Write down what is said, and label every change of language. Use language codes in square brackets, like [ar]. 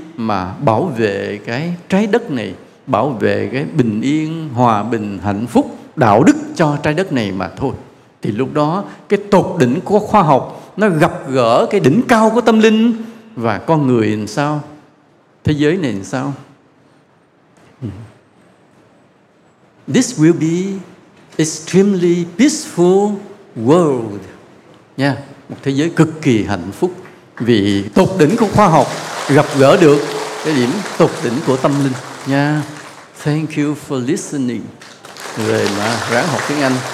[vi] Mà bảo vệ cái trái đất này, bảo vệ cái bình yên, hòa bình, hạnh phúc, đạo đức cho trái đất này mà thôi. Thì lúc đó cái tột đỉnh của khoa học nó gặp gỡ cái đỉnh cao của tâm linh, và con người làm sao? Thế giới này làm sao? [en] This will be extremely peaceful world. [vi] Một thế giới cực kỳ hạnh phúc, vì tột đỉnh của khoa học gặp gỡ được cái điểm tột đỉnh của tâm linh. [en] Thank you for listening. [vi] Về mà ráng học tiếng Anh.